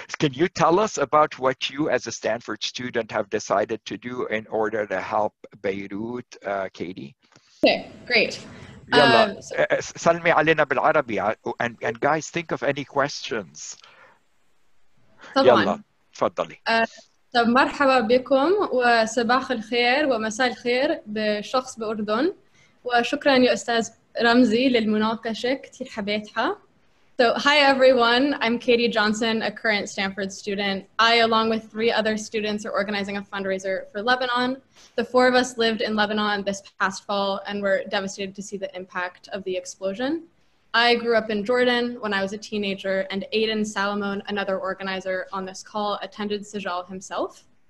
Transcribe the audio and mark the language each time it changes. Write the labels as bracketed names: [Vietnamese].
[English] Can you tell us about what you, as a Stanford student, have decided to do in order to help Beirut, Katie? Okay, great. [Arabic] Salmi alina bil Arabi, [English] and guys, think of any questions. [Arabic] Yalla, tfaddali. طب مرحبا بكم وصباح الخير ومساء الخير بشخص بأردن وشكرا يا أستاذ رمزي للمناقشة كتير حبيتها. [English] So hi everyone, I'm Katie Johnson, a current Stanford student. I, along with three other students, are organizing a fundraiser for Lebanon. The four of us lived in Lebanon this past fall and were devastated to see the impact of the explosion. I grew up in Jordan when I was a teenager, and Aiden Salamone, another organizer on this call, attended Sijal himself.